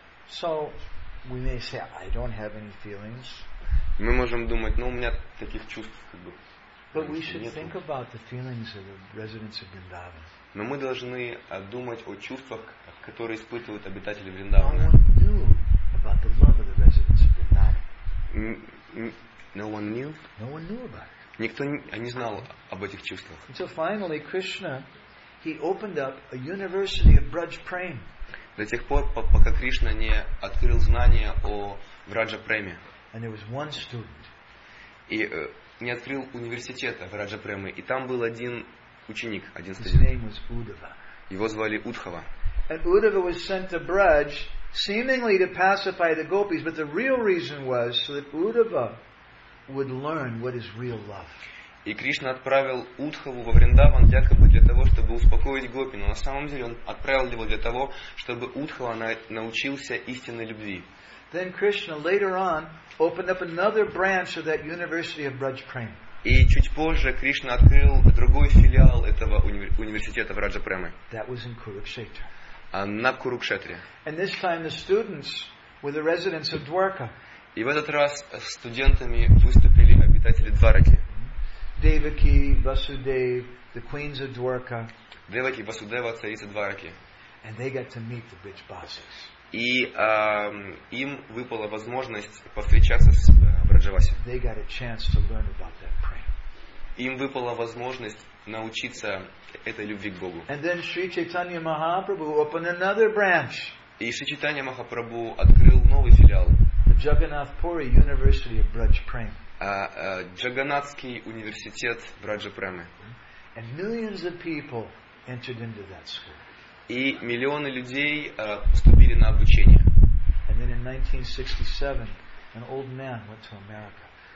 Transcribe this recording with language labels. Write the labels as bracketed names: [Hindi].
[English] So we may say, I don't have any feelings. [Russian] Мы можем думать, у меня таких чувств как бы. [English] But we should think about the feelings of the residents of Vrindavan. [Russian] Но мы должны думать о чувствах, которые испытывают обитатели Вриндавана. [English] No one knew about the love of the residents of Vrindavan. No one knew? No one knew about it. [Russian] Никто не знал об этих чувствах. [English] Until finally, Krishna, he opened up a university of Braj Prem. [Russian] До тех пор, пока Кришна не открыл знания о Враджа-преме. [English] And there was one student. [Russian] И не открыл университета Враджа-премы. И там был один ученик, один студент. [English] His name was Uddhava. [Russian] Его звали Удхава. [English] And Uddhava was sent to Braj, seemingly to pacify the gopis, but the real reason was so that Uddhava would learn what is real love. [Russian] И Кришна отправил Удхаву во Вриндаван якобы для того, чтобы успокоить гопи. Но на самом деле он отправил его для того, чтобы Удхава научился истинной любви. [English] Then Krishna later on opened up another branch of that university of Braj Prem. [Russian] И чуть позже Кришна открыл другой филиал этого университета Враджа Премы. [English] That was in Kurukshetra. [Russian] На Курукшетре. [English] And this time the students were the residents of Dwarka. [Russian] И в этот раз студентами выступили обитатели Двараки. [English] Devaki, Vasudev, the queens of Dwarka. [Russian] Devaki, Vasudeva, царица Двараки. [English] And they got to meet the bridge bosses. [Russian] И им выпала возможность повстречаться с Враджаваси. [English] They got a chance to learn about that prayer. [Russian] Им выпала возможность научиться этой любви к Богу. [English] And then Sri Chaitanya Mahaprabhu opened another branch. [Russian] И Шри Чайтанья Махапрабху открыл новый филиал. [English] The Jagannath Puri University of Braj Prem. [Russian] Джаганатский университет Враджа Премы. [English] And millions of people entered into that school. [Russian] И миллионы людей поступили на обучение. [English] And then in 1967, an old man went to America.